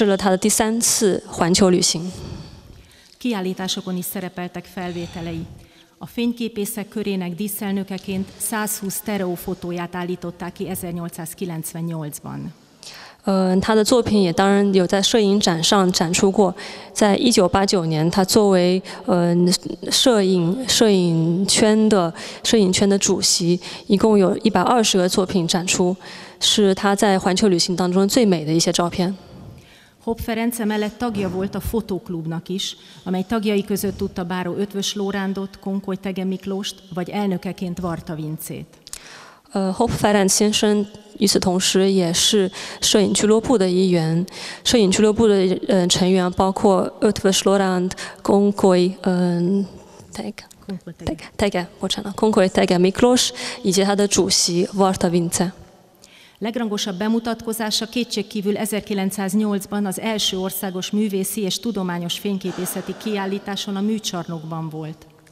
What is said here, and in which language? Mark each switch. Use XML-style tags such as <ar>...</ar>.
<zh>在1904年3月24号的地理协会的集会上，他用他的170个作品展示了他的第三次环球旅行。</zh> <hu>Kiállításokon is szerepeltek felvételei. A fényképészek körének díszelnökeként 120 sztereófotóját állították ki 1898-ban.</hu> <zh>他的作品也当然有在摄影展上展出过，在1989年，他作为摄影圈的主席，一共有120个作品展出，是他在环球旅行当中最美的一些照片。</zh> <hu>Hope Ferenc emellett tagja volt a fotóklubnak is, amely tagjai között tudta Báró Ötvös Lórándot, Konkoly Tege Miklóst, vagy elnökeként Varta Vincét.</hu> <zh>Hope Ferenc 先生与此同时也是摄影俱乐部的一员，摄影俱乐部的成员包括 Ötvös Lóránd, Konkoly Tege Miklós, 以及他的主席 Varta Vince.</zh> <hu>Legrangosabb bemutatkozása kétségkívül 1908-ban az első országos művészi és tudományos fényképészeti kiállításon a Műcsarnokban volt.</hu>